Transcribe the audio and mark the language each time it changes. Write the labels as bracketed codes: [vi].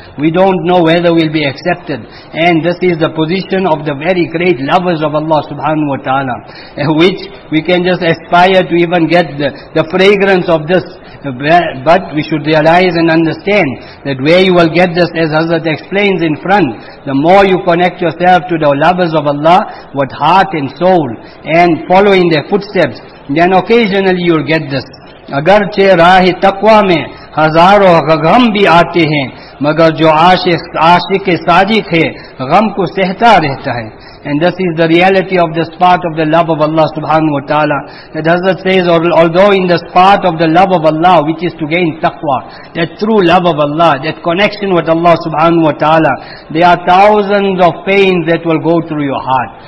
[en] We don't know whether we'll be accepted. And this is the position of the very great lovers of Allah Subhanahu Wa Ta'ala, which we can just aspire to even get the fragrance of this. But we should realize and understand that where you will get this, as Hazrat explains in front, the more you connect yourself to the lovers of Allah with heart and soul and following their footsteps, then occasionally you'll get this. [ur] اگرچہ راہ تقویٰ میں ہزاروں غم بھی آتے ہیں مگر جو عاشق صادق ہے غم کو سہتا رہتا ہے. [en] And this is the reality of this part of the love of Allah Subhanahu Wa Ta'ala. That Hazrat says, although in this part of the love of Allah, which is to gain taqwa, that true love of Allah, that connection with Allah Subhanahu Wa Ta'ala, there are thousands of pains that will go through your heart.